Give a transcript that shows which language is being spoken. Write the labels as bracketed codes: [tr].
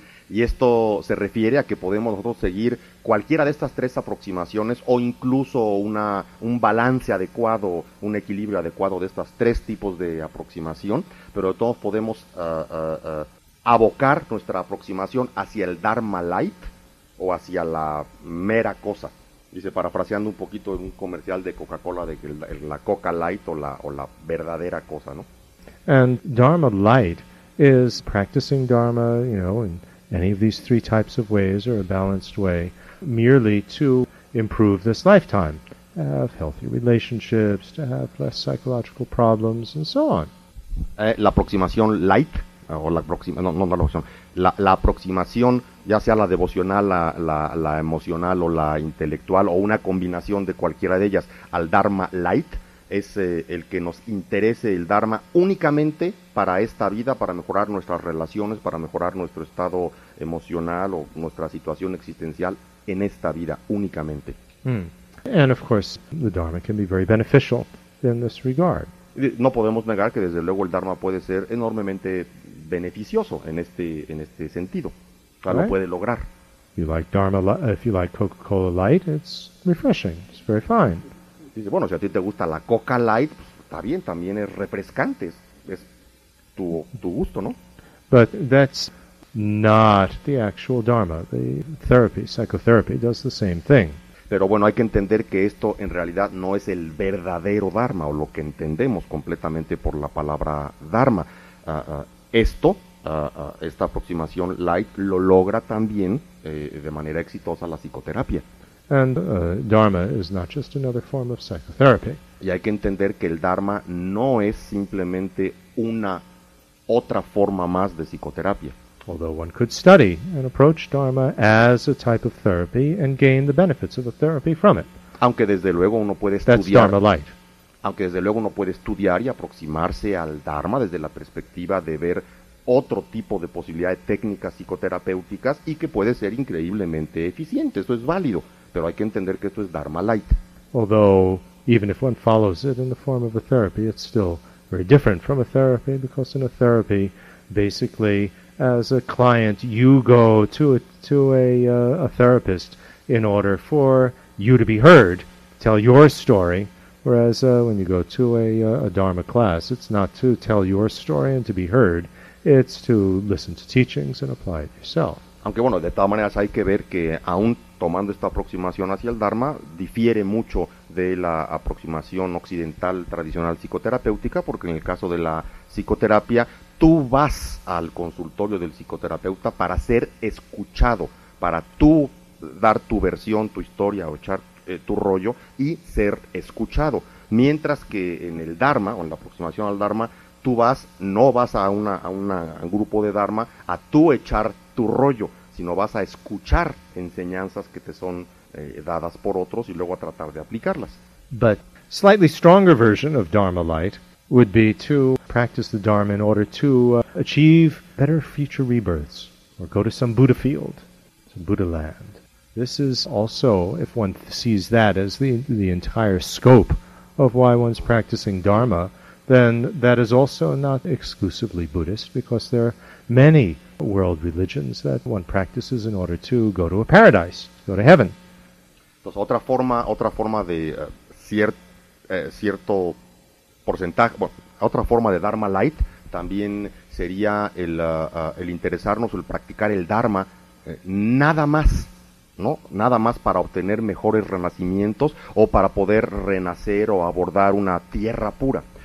[es] Y esto se refiere a que podemos nosotros seguir cualquiera de estas tres aproximaciones o incluso un balance adecuado, un equilibrio adecuado de estas tres tipos de aproximación, pero de todos podemos abocar nuestra aproximación hacia el Dharma light o hacia la mera cosa. Dice, parafraseando un poquito en un comercial de Coca-Cola, de que la Coca light o la verdadera cosa, ¿no? [en] And Dharma light is practicing Dharma, you know, in any of these three types of ways or a balanced way, merely to improve this lifetime, have healthy relationships, to have less psychological problems, and so on. [es] La aproximación light, o la aproximación, no la aproximación, la aproximación, ya sea la devocional, la emocional o la intelectual, o una combinación de cualquiera de ellas, al Dharma light, es el que nos interese el Dharma únicamente para esta vida, para mejorar nuestras relaciones, para mejorar nuestro estado emocional o nuestra situación existencial en esta vida únicamente. [en] And of course, the Dharma can be very beneficial in this regard. [es] No podemos negar que desde luego el Dharma puede ser enormemente beneficioso en este sentido. Claro, [en] right. [es] Puede lograr. [en] You like Dharma, if you like Coca-Cola light, it's refreshing. It's very fine. [es] Dice, bueno, si a ti te gusta la Coca light, pues, está bien, también es refrescante, es tu gusto, ¿no? [en] But that's not the actual Dharma. The therapy, psychotherapy does the same thing. [es] Pero bueno, hay que entender que esto en realidad no es el verdadero Dharma, o lo que entendemos completamente por la palabra Dharma. Esta aproximación light lo logra también de manera exitosa la psicoterapia. [en] And Dharma is not just another form of psychotherapy. [es] Y hay que entender que el Dharma no es simplemente una otra forma más de psicoterapia. [en] Although one could study and approach Dharma as a type of therapy and gain the benefits of a therapy from it. [es] Aunque desde luego uno puede estudiar. [en] That's Dharma light. [es] Aunque desde luego uno puede estudiar y aproximarse al Dharma desde la perspectiva de ver otro tipo de posibilidad de técnicas psicoterapéuticas y que puede ser increíblemente eficiente. Esto es válido, pero hay que entender que esto es Dharma light. [en] Although, even if one follows it in the form of a therapy, it's still very different from a therapy, because in a therapy, basically, as a client, you go to a therapist in order for you to be heard, tell your story. Whereas when you go to a Dharma class, it's not to tell your story and to be heard. It's to listen to teachings and apply it yourself. [es] Aunque bueno, de todas maneras hay que ver que aún tomando esta aproximación hacia el Dharma, difiere mucho de la aproximación occidental tradicional psicoterapéutica, porque en el caso de la psicoterapia, tú vas al consultorio del psicoterapeuta para ser escuchado, para tú dar tu versión, tu historia, o echar tu rollo y ser escuchado. Mientras que en el Dharma, o en la aproximación al Dharma, tú vas, no vas a un grupo de Dharma a tú echar tu rollo, sino vas a escuchar enseñanzas que te son dadas por otros y luego a tratar de aplicarlas. [en] But slightly stronger version of Dharma light would be to practice the Dharma in order to achieve better future rebirths, or go to some Buddha field, some Buddha land. This is also, if one sees that as the entire scope of why one's practicing Dharma, then that is also not exclusively Buddhist, because there are many world religions that one practices in order to go to a paradise, go to heaven. [es] Entonces, otra forma de cierto porcentaje, bueno, otra forma de Dharma light también sería el interesarnos, el practicar el Dharma nada más, ¿no? Nada más para obtener mejores renacimientos o para poder renacer o abordar una tierra pura.